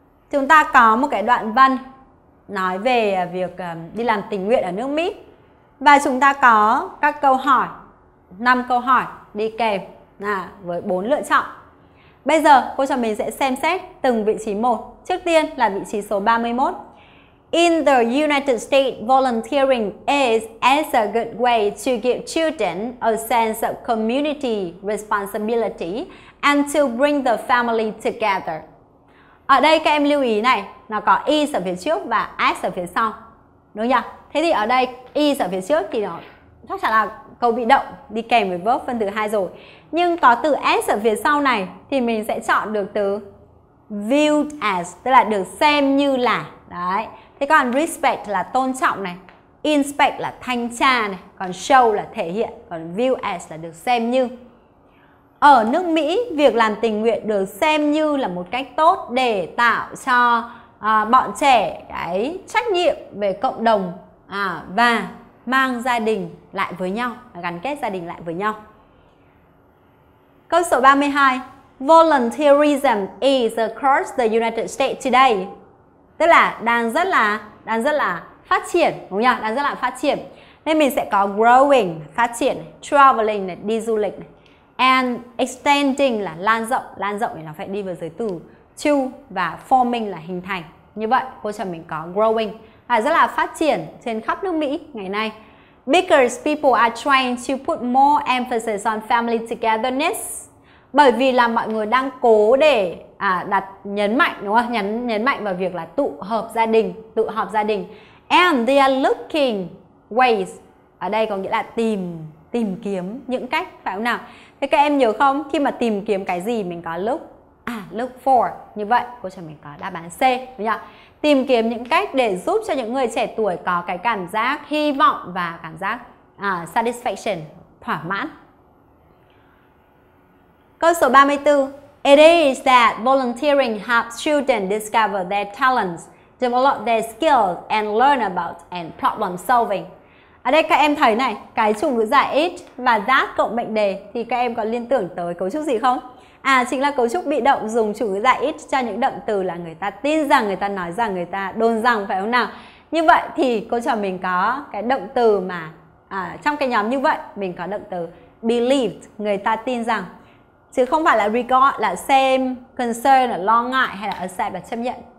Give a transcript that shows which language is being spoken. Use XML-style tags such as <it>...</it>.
<vi>Chúng ta có một cái đoạn văn nói về việc đi làm tình nguyện ở nước Mỹ. Và chúng ta có các câu hỏi, 5 câu hỏi đi kèm với 4 lựa chọn. Bây giờ cô cho mình sẽ xem xét từng vị trí một. Trước tiên là vị trí số 31.</vi> <en>In the United States, volunteering is as a good way to give children a sense of community responsibility and to bring the family together.</en> <vi>Ở đây các em lưu ý này, nó có is ở phía trước và as ở phía sau. Đúng không? Thế thì ở đây is ở phía trước thì nó chắc chắn là câu bị động đi kèm với verb phân từ 2 rồi. Nhưng có từ as ở phía sau này thì mình sẽ chọn được từ viewed as, tức là được xem như là. Đấy. Thế còn respect là tôn trọng này, inspect là thanh tra này, còn show là thể hiện, còn view as là được xem như. Ở nước Mỹ, việc làm tình nguyện được xem như là một cách tốt để tạo cho bọn trẻ cái trách nhiệm về cộng đồng và mang gia đình lại với nhau, gắn kết gia đình lại với nhau. Câu số 32.</vi> <en>Volunteerism is across the United States today.</en> <vi>tức là đang rất là phát triển, đúng không nhỉ? Đang rất là phát triển. Nên mình sẽ có growing, phát triển, traveling là đi du lịch, and extending là lan rộng thì nó phải đi vào giới từ to, và forming là hình thành. Như vậy cô cho mình có growing là rất là phát triển trên khắp nước Mỹ ngày nay.</vi> <en>Because people are trying to put more emphasis on family togetherness.</en> <vi>Bởi vì là mọi người đang cố để nhấn mạnh vào việc là tụ họp gia đình.</vi> <en>And they are looking ways,</en> <vi>ở đây có nghĩa là tìm kiếm những cách, phải không nào? Thế các em nhớ không, khi mà tìm kiếm cái gì mình có look for, như vậy cô trò mình có đáp án C, đúng không? Tìm kiếm những cách để giúp cho những người trẻ tuổi có cái cảm giác hy vọng và cảm giác satisfaction, thỏa mãn. Câu số 34.</vi> <en>It is that volunteering helps children discover their talents, develop their skills and learn about and problem solving.</en> <vi>Ở đây các em thấy này, cái chủ ngữ giả it và that cộng mệnh đề thì các em có liên tưởng tới cấu trúc gì không? À, chính là cấu trúc bị động dùng chủ ngữ giả it cho những động từ là người ta tin rằng, người ta nói rằng, người ta đồn rằng, phải không nào? Như vậy thì cô trò mình có cái động từ mà trong cái nhóm như vậy mình có động từ believed, người ta tin rằng, chứ không phải là regard, là xem, concern, là lo ngại, hay là accept, là chấp nhận.</vi>